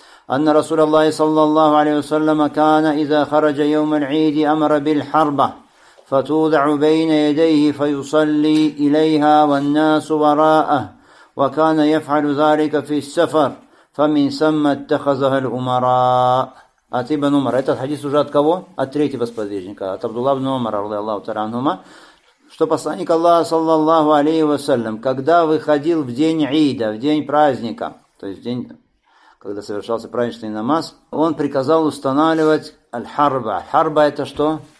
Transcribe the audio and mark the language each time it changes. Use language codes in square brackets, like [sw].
[ar] Анна Расул Аллахи, саллаллаху алейхи ва саллям, кана иза хараджа йаум аль-Иди амара биль харба. فتوضع بين يديه فيصلي إليها والناس وراءه وكان يفعل ذلك في السفر فمن ثم اتخذها الأمراء. [ru] От ибн Умара. Этот хадис уже от кого? От третьего сподвижника. От Абдулла ибн Умара, [ar] رضي الله تعالى عنهما. [ru] Что посланник Аллаха, саллаллаху алейхи ва саллям, когда выходил в день Ида, в день праздника, то есть в день, когда совершался праздничный намаз, он приказал устанавливать аль-харба. Харба это что?